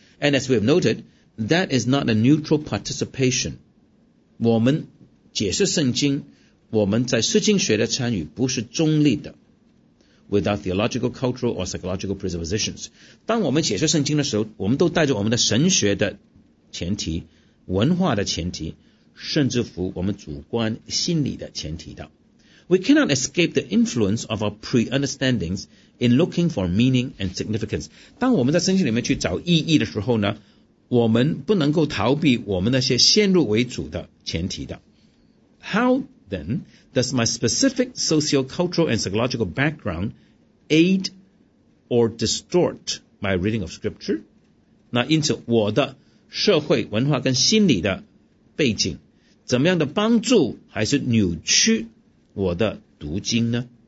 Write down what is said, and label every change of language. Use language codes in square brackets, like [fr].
[en] And as we have noted, that is not a neutral participation。 [zh] 我们解释圣经，我们在释经学的参与不是中立的。 [en] without theological, cultural, or psychological presuppositions. [zh] 当我们解释圣经的时候，我们都带着我们的神学的前提、文化的前提，甚至乎我们主观心理的前提的。 [en] We cannot escape the influence of our pre-understandings in looking for meaning and significance. [zh] 当我们在圣经里面去找意义的时候呢，我们不能够逃避我们那些先入为主的前提的。 [en] How then does my specific socio-cultural and psychological background aid or distort my reading of scripture? [zh] 那因此我的社会文化跟心理的背景怎么样的帮助还是扭曲我的读经呢？